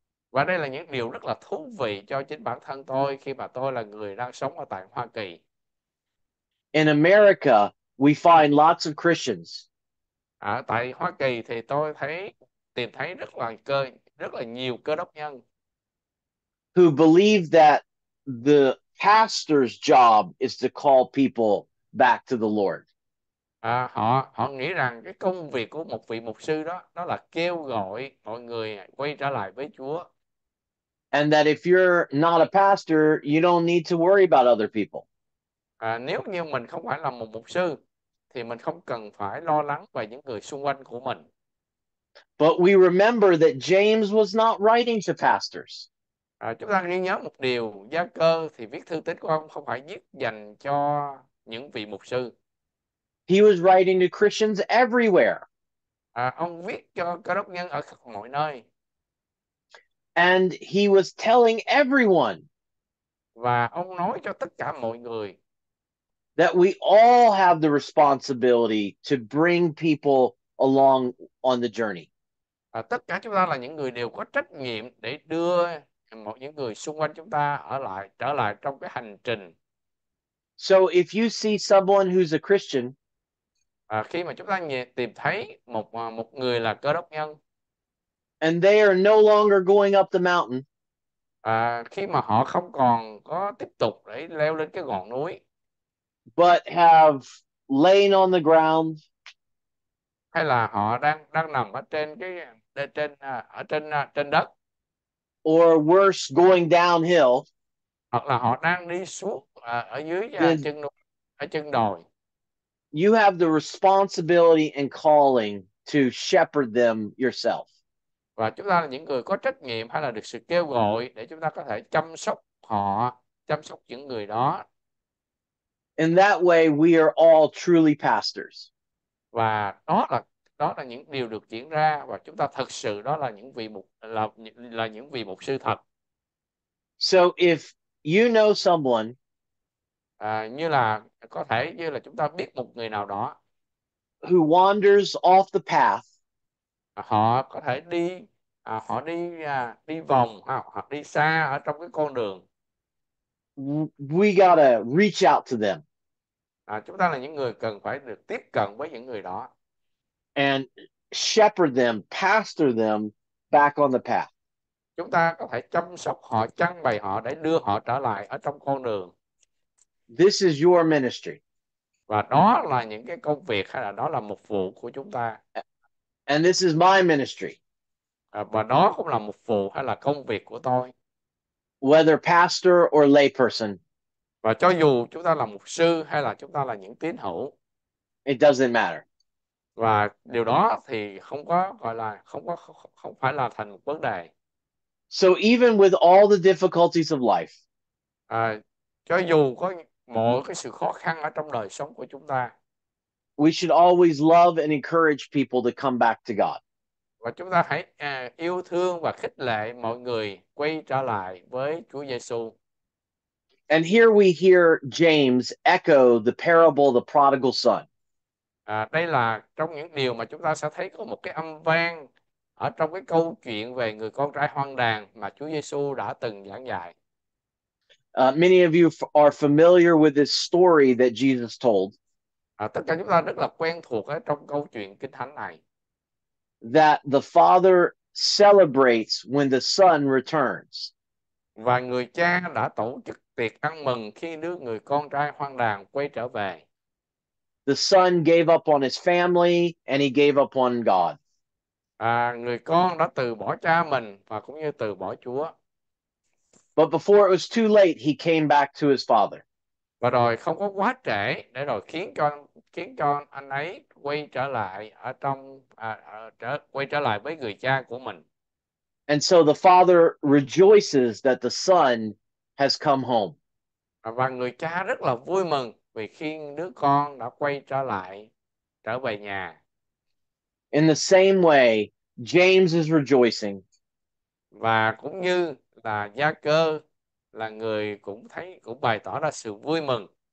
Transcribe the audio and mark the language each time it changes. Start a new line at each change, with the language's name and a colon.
Vietnamese: Và đây là những điều rất là thú vị cho chính bản thân tôi khi mà tôi là người đang sống ở tại Hoa Kỳ.
English: In America, we find lots of Christians.
Vietnamese: À, tại Hoa Kỳ thì tôi thấy tìm thấy rất là nhiều Cơ đốc nhân.
English: Who believe that the pastor's job is to call people back to the Lord.
Vietnamese: À, họ họ nghĩ rằng cái công việc của một vị mục sư đó nó là kêu gọi mọi người quay trở lại với Chúa.
English: And that if you're not a pastor, you don't need to worry about other people.
Vietnamese: À, nếu như mình không phải là một mục sư thì mình không cần phải lo lắng về những người xung quanh của mình.
English: But we remember that James was not writing to pastors.
Vietnamese: À, chúng ta ghi nhớ một điều, Gia Cơ thì viết thư tín của ông không phải viết dành cho những vị mục sư.
English: He was writing to Christians everywhere.
Vietnamese: À, ông viết cho Cơ đốc nhân ở khắp mọi nơi.
English: And he was telling everyone
Vietnamese: Và ông nói cho tất cả mọi người.
English: that we all have the responsibility to bring people along on the journey.
Vietnamese: À, tất cả chúng ta là những người đều có trách nhiệm để đưa một những người xung quanh chúng ta trở lại trong cái hành trình.
English: So if you see someone who's a Christian,
Vietnamese: À, khi mà chúng ta tìm thấy một một người là Cơ đốc nhân,
English: and they are no longer going up the mountain,
Vietnamese: à, khi mà họ không còn có tiếp tục để leo lên cái ngọn núi,
English: but have lain on the ground.
Vietnamese: hay là họ đang đang nằm ở trên cái trên ở trên trên đất,
English: or worse, going downhill,
Vietnamese: hoặc là họ đang đi xuống ở dưới
English: then
Vietnamese: chân núi, ở chân đồi.
English: you have the responsibility and calling to shepherd them yourself.
Vietnamese: Và chúng ta là những người có trách nhiệm hay là được sự kêu gọi để chúng ta có thể chăm sóc họ, chăm sóc những người đó.
English: In that way, we are all truly pastors.
Vietnamese: Và đó là những điều được diễn ra, và chúng ta thật sự đó là những vị mục, là những vị mục sư thật.
English: So if you know someone,
Vietnamese: À, như là có thể như là chúng ta biết một người nào đó,
English: who wanders off the path,
Vietnamese: họ có thể đi, họ đi đi vòng, họ đi xa ở trong cái con đường,
English: we gotta reach out to them
Vietnamese: chúng ta là những người cần phải được tiếp cận với những người đó.
English: and shepherd them, pastor them back on the path.
Vietnamese: Chúng ta có thể chăm sóc họ, trang bày họ để đưa họ trở lại ở trong con đường.
English: This is your ministry.
Vietnamese: Và đó là những cái công việc hay là đó là mục vụ của chúng ta.
English: And this is my ministry.
Vietnamese: Và đó cũng là mục vụ hay là công việc của tôi.
English: Whether pastor or lay person,
Vietnamese: Và cho dù chúng ta là mục sư hay là chúng ta là những tín hữu.
English: it doesn't matter.
Vietnamese: Và điều đó thì không có gọi là không có không phải là thành một vấn đề.
English: So even with all the difficulties of life,
Vietnamese: Cho dù có mọi cái sự khó khăn ở trong đời sống của chúng ta,
English: we should always love and encourage people to come back to God.
Vietnamese: và chúng ta hãy yêu thương và khích lệ mọi người quay trở lại với Chúa Giêsu.
English: And here we hear James echo the parable of the prodigal son.
Vietnamese: Đây là trong những điều mà chúng ta sẽ thấy có một cái âm vang ở trong cái câu chuyện về người con trai hoang đàng mà Chúa Giêsu đã từng giảng dạy.
English: Many of you are familiar with this story that Jesus told.
Vietnamese: Tất cả chúng ta rất là quen thuộc ở trong câu chuyện Kinh Thánh này.
English: That the father celebrates when the son returns.
Vietnamese: Và người cha đã tổ chức tiệc ăn mừng khi đứa người con trai hoang đàng quay trở về.
English: The son gave up on his family and he gave up on God.
Vietnamese: Người con đã từ bỏ cha mình và cũng như từ bỏ Chúa.
English: But before it was too late, he came back to his father.
Vietnamese: Và rồi không có quá trễ để rồi khiến cho anh ấy quay trở lại ở trong quay trở lại với người cha của mình.
English: And so the father rejoices that the son has come home.
Vietnamese: Và người cha rất là vui mừng vì khi đứa con đã quay trở về nhà.
English: In the same way, James is rejoicing.
Vietnamese: Và cũng như là Gia Cơ là người cũng thấy cũng bày tỏ ra sự vui mừng.